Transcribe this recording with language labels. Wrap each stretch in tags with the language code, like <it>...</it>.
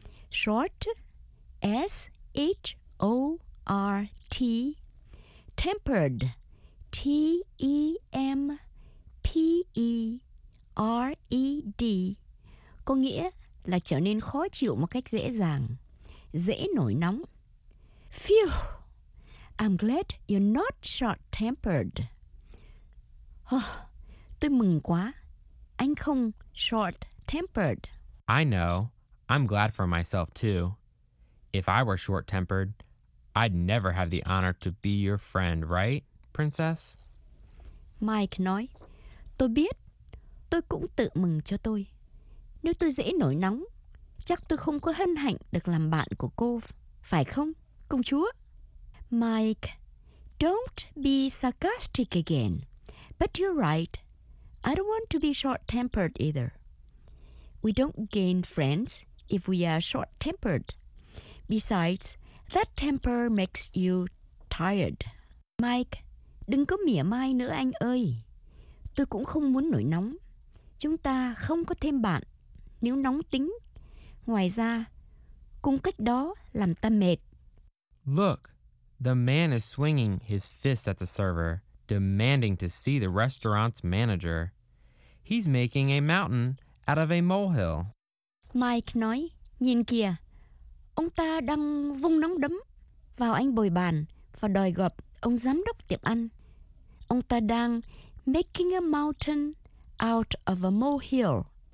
<vi>Short, S-H-O-R-T, tempered, T-E-M-P-E-R-E-D, có nghĩa là trở nên khó chịu một cách dễ dàng, dễ nổi nóng.</vi> <en>Phew, I'm glad you're not short-tempered.</en> <vi>Oh, tôi mừng quá, anh không short-tempered.</vi> <en>I know. I'm glad for myself, too. If I were short-tempered, I'd never have the honor to be your friend, right, princess?</en> <vi>Mike nói, tôi biết, tôi cũng tự mừng cho tôi. Nếu tôi dễ nổi nóng, chắc tôi không có hân hạnh được làm bạn của cô, phải không, công chúa?</vi> <en>Mike, don't be sarcastic again. But you're right. I don't want to be short-tempered either. We don't gain friends if we are short-tempered. Besides, that temper makes you tired.</en> <vi>Mike, đừng có mỉa mai nữa anh ơi. Tôi cũng không muốn nổi nóng. Chúng ta không có thêm bạn nếu nóng tính. Ngoài ra, cùng cách đó làm ta mệt.</vi> <en>Look, the man is swinging his fist at the server, demanding to see the restaurant's manager. He's making a mountain out of a molehill.</en> <vi>Mike nói, nhìn kìa, ông ta đang vung nắm đấm vào anh bồi bàn và đòi gặp ông giám đốc tiệm ăn. Ông ta đang making a mountain out of a molehill.</vi>